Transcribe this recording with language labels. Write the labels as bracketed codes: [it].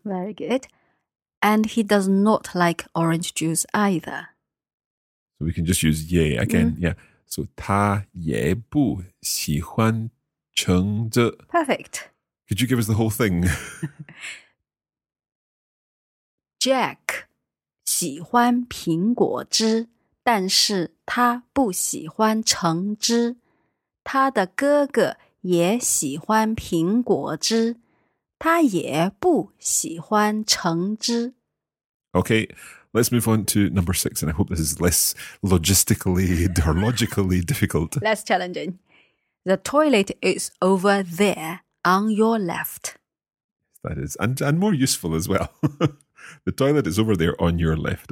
[en] Very good, and he does not like orange juice either. So we can just use ye again. Yeah. So [zh] 他也不喜欢橙汁 [en] Perfect. Could you give us the whole thing? [zh] Jack 喜欢苹果汁，但是他不喜欢橙汁。他的哥哥也喜欢苹果汁，他也不喜欢橙汁。 [en] Okay, let's move on to number six, and I hope this is less logistically or logically difficult. Less challenging. The toilet is over there on your left. That is, and more useful as well. The toilet is over there on your left.